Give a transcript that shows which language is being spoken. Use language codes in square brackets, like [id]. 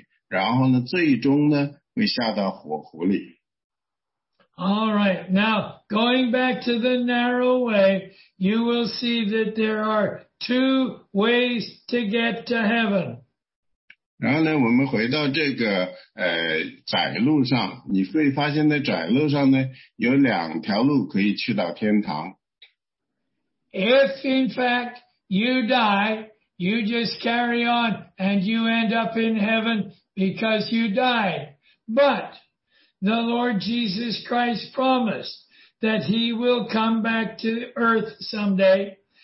[zh] 实际上呢,如果我们不去悔改我们的罪,我们不去转向我们的主耶稣基督,我们就会带着我们的罪往这边走,一直走到地狱里,然后呢,最终呢, 会下到火湖里。 [en] All right, now going back to the narrow way, you will see that there are two ways to get to heaven. [zh] 然后呢,我们回到这个窄路上,你会发现在窄路上呢,有两条路可以去到天堂。If [en] in fact you die, you just carry on and you end up in heaven because you died. But the Lord Jesus Christ promised that he will come back to earth someday.